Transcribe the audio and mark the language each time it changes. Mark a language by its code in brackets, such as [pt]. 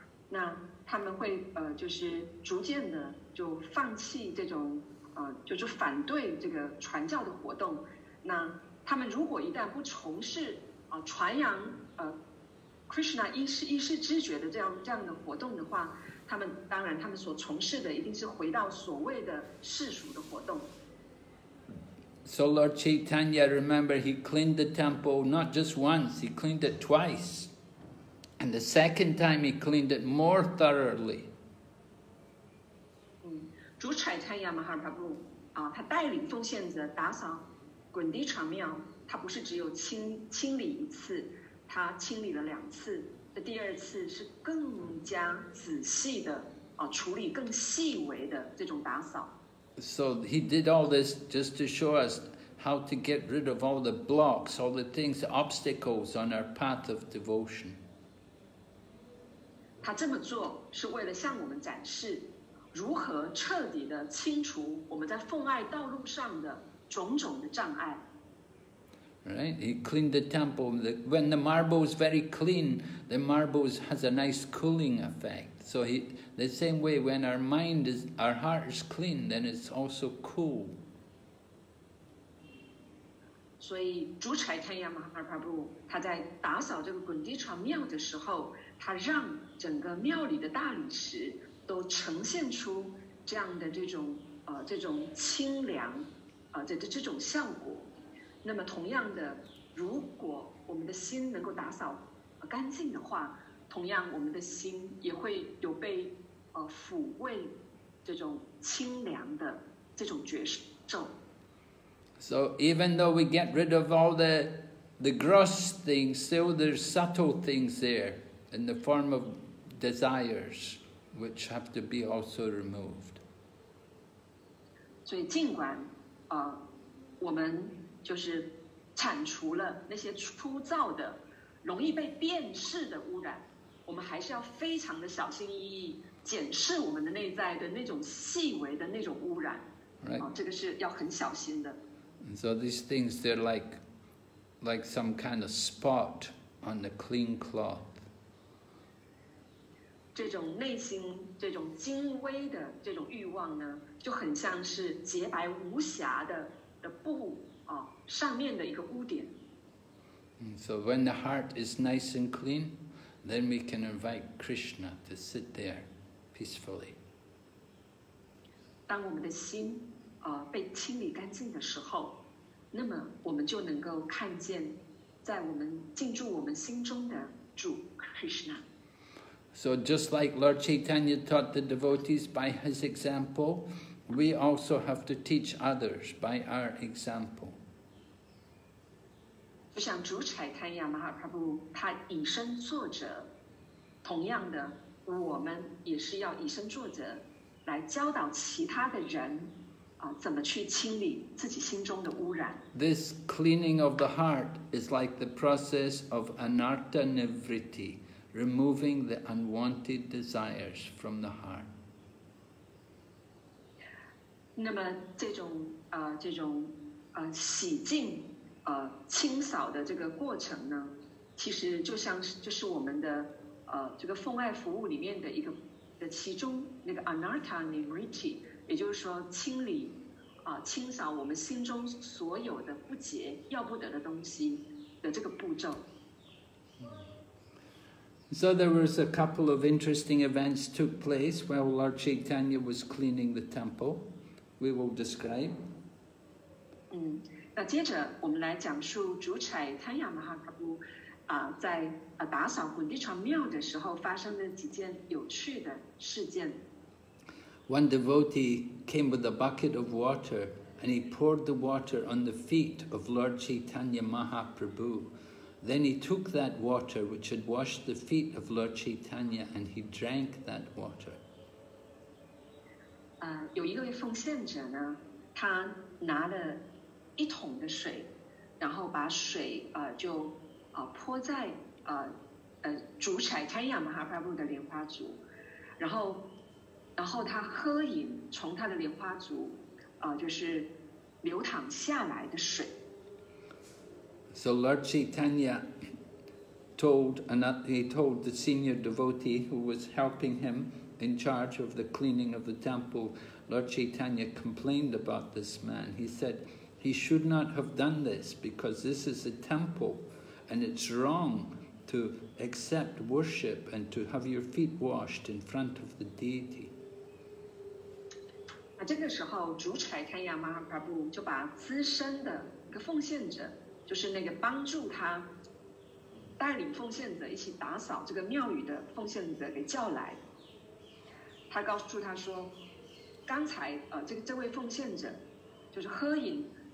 [zh] 那他们会就是逐渐的就放弃这种就是反对这个传教的活动。那他们如果一旦不从事传扬Krishna 一世知觉的这样的活动的话，他们当然他们所从事的一定是回到所谓的世俗的活动。 [en] So Lord Chaitanya, remember he cleaned the temple not just once, he cleaned it twice, and the second time he cleaned it more thoroughly. [zh] 主 Chaitanya Mahaprabhu 他带领奉献者打扫。滚地场庙，他不是只有清理一次，他清理了两次。这第二次是更加仔细的处理更细微的这种打扫。 [en] So he did all this just to show us how to get rid of all the blocks, all the things, the obstacles on our path of devotion. [zh] 他这么做是为了向我们展示，如何彻底的清除我们在奉爱道路上的。 [en] Right, he cleaned the temple. When the marble is very clean, the marble has a nice cooling effect. So the same way when our heart is clean, then it's also cool. [zh] So, 主 Chaitanya Mahaprabhu, 他在打扫这个滚地床庙的时候，他让整个庙里的大理石都呈现出这样的这种清凉。这种效果，那么同样的，如果我们的心能够打扫干净的话，同样我们的心也会有被抚慰这种清凉的这种觉受。 [en] So even though we get rid of all the gross things, still there's subtle things there in the form of desires, which have to be also removed. [zh] 所以尽管我们就是铲除了那些粗糙的、容易被辨识的污染，我们还是要非常的小心翼翼检视我们的内在的那种细微的那种污染。 [en] Right. [zh] 这个是要很小心的。 [en] And so these things, they're like some kind of spot on the clean cloth. [zh] 这种内心这种精微的这种欲望呢？就很像是洁白无瑕的布上面的一个污点。 [en] So when the heart is nice and clean, then we can invite Krishna to sit there peacefully. [zh] 当我们的心被清理干净的时候，那么我们就能够看见在我们进驻我们心中的主 Krishna. [en] So just like Lord Chaitanya taught the devotees by his example,We also have to teach others by our example. [zh] 就像主柴坦亚马哈帕布他以身作则，同样的我们也是要以身作则来教导其他的人怎么去清理自己心中的污染。 [en] This cleaning of the heart is like the process of anartha nivritti, removing the unwanted desires from the heart. [zh] 那么这种洗净清扫的这个过程呢，其实就像是就是我们的这个奉爱服务里面的一个的其中那个 anartha nivritti， 也就是说清理清扫我们心中所有的不洁要不得的东西的这个步骤。 [en] So there was a couple of interesting events took place while Lord Chaitanya was cleaning the temple. We will describe. [zh] 那接着我们来讲述主柴坦亚马哈帕布在打扫滚地床庙的时候发生的几件有趣的事件。 [en] One devotee came with a bucket of water and he poured the water on the feet of Lord Chaitanya Mahaprabhu. Then he took that water which had washed the feet of Lord Chaitanya and he drank that water. [zh] 有一位奉献者呢，他拿了一桶的水，然后把水泼在主柴坦亚马哈帕布的莲花足，然后他喝饮从他的莲花足就是流淌下来的水。 [en] So Lord Chaitanya told the senior devotee who was helping him in charge of the cleaning of the temple. Lord Chaitanya complained about this man. He said he should not have done this because this is a temple and it's wrong to accept worship and to have your feet washed in front of the deity. [zh] 这个时候主柴坦亚马哈帕布就把资深的一个奉献者，就是那个帮助他带领奉献者一起打扫这个庙宇的奉献者给叫来，他告诉他说刚才这位奉献者就是喝饮